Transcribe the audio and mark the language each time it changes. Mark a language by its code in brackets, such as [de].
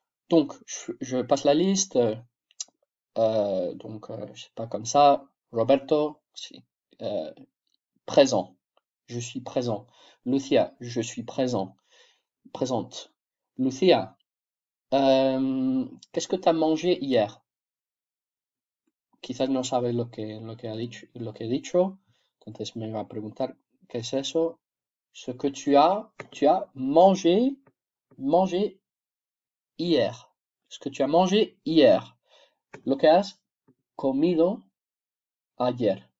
[fr] Donc, je passe la liste. Je sais pas comme ça. Roberto, si. Présent. Je suis présent. Lucia, je suis présent. Présente. Lucia, qu'est-ce que tu as mangé hier? [es] Quizás no sabes lo que he dicho. Entonces me va a preguntar, [fr] qu'est-ce que c'est [es] eso? [fr] Ce que tu as mangé hier. Ce que tu as mangé hier. [es] Lo que has comido ayer.